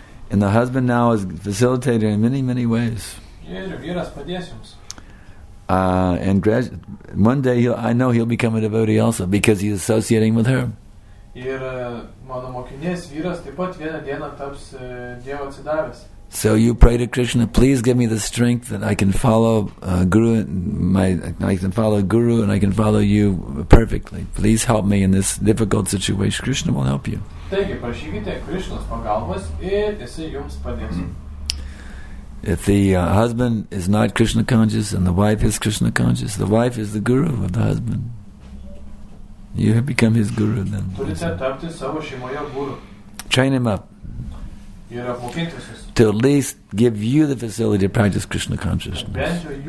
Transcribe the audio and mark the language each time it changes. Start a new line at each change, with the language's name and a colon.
English: And the husband now is facilitator in many, many ways.
Lithuanian: Ir vyras padės jums.
English: One day, I know he'll become a devotee also, because he's associating with her.
Lithuanian: Ir mano mokinės vyras taip pat vieną dieną taps Dievo atsidavęs.
English: So you pray to Krishna, please give me the strength that I can follow Guru. I can follow Guru, and I can follow you perfectly. Please help me in this difficult situation. Krishna will help you.
Lithuanian: Taigi, prašykite Krishnos pagalbos ir jisai jums padės.
English: If the husband is not Krishna conscious and the wife is Krishna conscious, the wife is the guru of the husband. You have become his guru then. Train him up to at least give you the facility to practice Krishna consciousness.